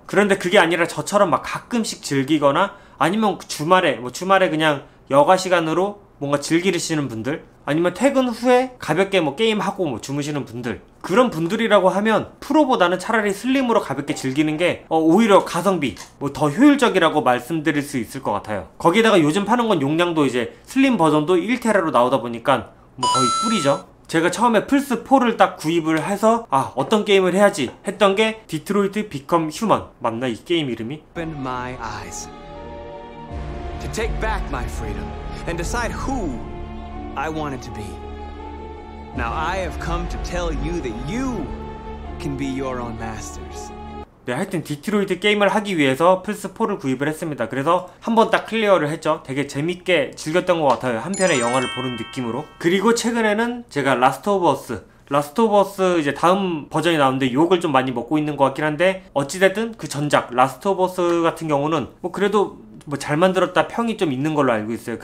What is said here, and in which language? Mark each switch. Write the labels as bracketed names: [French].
[Korean] 그런데 그게 아니라 저처럼 막 가끔씩 즐기거나 아니면 주말에 뭐 주말에 그냥 여가 시간으로 뭔가 즐기시는 분들 아니면 퇴근 후에 가볍게 뭐 게임하고 뭐 주무시는 분들 그런 분들이라고 하면 프로보다는 차라리 슬림으로 가볍게 즐기는 게 오히려 가성비 뭐 더 효율적이라고 말씀드릴 수 있을 것 같아요. 거기다가 요즘 파는 건 용량도 이제 슬림 버전도 1테라로 나오다 보니까 뭐 거의 꿀이죠. 제가 처음에 플스4를 딱 구입을 해서 아 어떤 게임을 해야지 했던 게 디트로이트 비컴 휴먼 맞나 이 게임 이름이? [English] Open my eyes to take back my freedom and decide who I wanted to be. Now I have come to tell you that you can be your own masters. [Korean] 네, 하여튼 디트로이트 게임을 하기 위해서 플스4를 구입을 했습니다. 그래서 한번 딱 클리어를 했죠. 되게 재밌게 즐겼던 것 같아요. 한 편의 영화를 보는 느낌으로. 그리고 최근에는 제가 라스트 오브 어스 이제 다음 버전이 나오는데 욕을 좀 많이 먹고 있는 것 같긴 한데 어찌됐든 그 전작 라스트 오브 어스 같은 경우는 뭐 그래도 뭐 잘 만들었다 평이 좀 있는 걸로 알고 있어요.